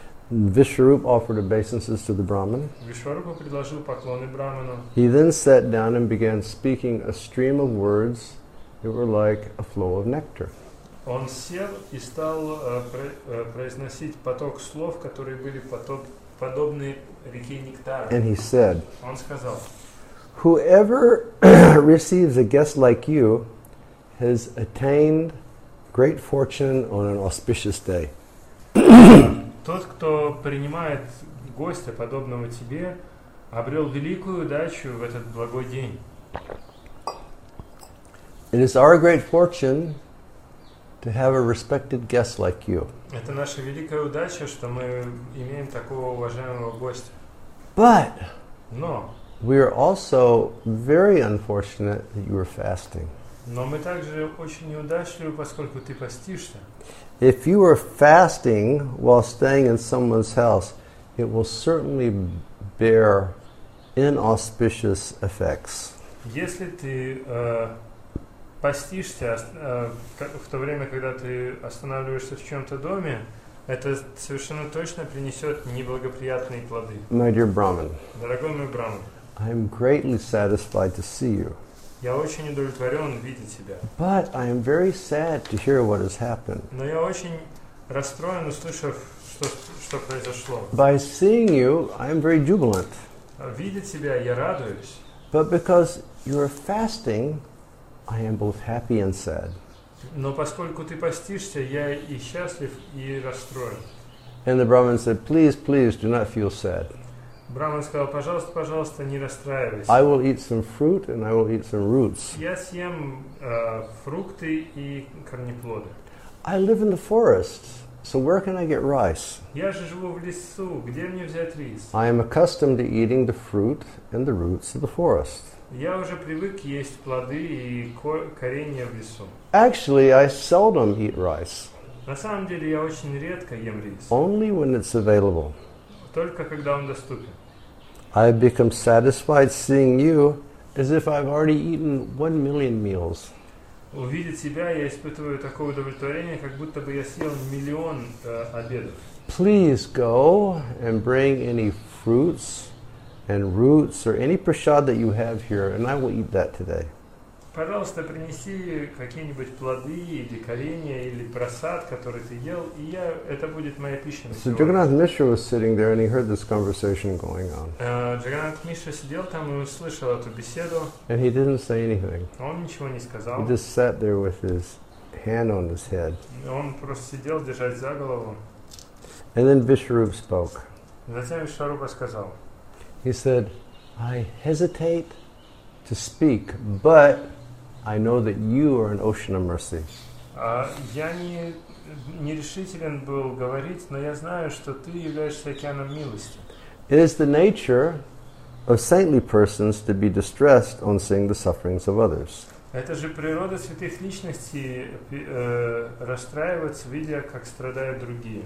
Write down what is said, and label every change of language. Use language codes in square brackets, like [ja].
[en] Vishwarupa offered obeisances to the Brahmin. [ru] Вишварупа предложил поклоны Брахману. [en] He then sat down and began speaking a stream of words that were like a flow of nectar. [ru] Он сел и стал произносить поток слов, которые были подобны реке нектара. [en] And he said, [ru] он сказал, [en] whoever receives a guest like you has attained great fortune on an auspicious day. [ru] Тот, кто принимает гостя подобного тебе, обрел великую удачу в этот благой день. [en] It is our great fortune to have a respected guest like you. [ru] Это наша великая удача, что мы имеем такого уважаемого гостя. [en] But no. We are also very unfortunate that you are fasting. [ru] Но мы также очень неудачливы, поскольку ты постишься. [en] If you are fasting while staying in someone's house, it will certainly bear inauspicious effects. [ru] Если ты постишься в то время, когда ты останавливаешься в чьем-то доме, это совершенно точно принесет неблагоприятные плоды. [en] My dear Brahman. [ru] Дорогой мой Браман. [en] I am greatly satisfied to see you. [ru] Я очень удовлетворен видеть тебя. [en] But I am very sad to hear what has happened. [ru] Но я очень расстроен, услышав, что произошло. [en] By seeing you, I am very jubilant. [ru] Видеть тебя, я радуюсь. [en] But because you are fasting, I am both happy and sad. [ru] Но поскольку ты постишься, я и счастлив, и расстроен. [en] And the Brahman said, please, please, do not feel sad. [ru] Браман сказал, пожалуйста, пожалуйста, не расстраивайся. [en] I will eat some fruit and I will eat some roots. [ru] Я съем фрукты и корнеплоды. [en] I live in the forest, so where can I get rice? [ru] Я же живу в лесу, где мне взять рис? [en] I am accustomed to eating the fruit and the roots of the forest. [ru] Я уже привык есть плоды и коренья в лесу. [en] Actually, I seldom eat rice. [ru] На самом деле, я очень редко ем рис. [en] Only when it's available. [ru] Только когда он доступен. [en] I become satisfied seeing you as if I've already eaten 1 million meals. [ru] Увидеть себя, я испытываю такое удовлетворение, как будто бы я съел миллион обедов. [en] Please go and bring any fruits and roots or any prashad that you have here, and I will eat that today. [ru] Пожалуйста, принеси какие-нибудь плоды или коренья или просад, который ты ел, и я это будет моя пища. [en] So Jagannath Mishra was sitting there and he heard this conversation going on. [ru] Jagannath Mishra сидел там и услышал эту беседу. [en] And he didn't say anything. [ru] Он ничего не сказал. [en] He just sat there with his hand on his head. [ru] Он просто сидел, держась за голову. [en] And then Vishwaroop spoke. [ru] Затем Vishwaroopa сказал. [en] He said, I hesitate to speak, but I know that you are an ocean of mercy. [ru] Я не решителен был говорить, но я знаю, что ты являешься океаном милости. [en] It is the nature of saintly persons to be distressed on seeing the sufferings of others. [ru] Это же природа святых личностей расстраиваться, видя, как страдают другие.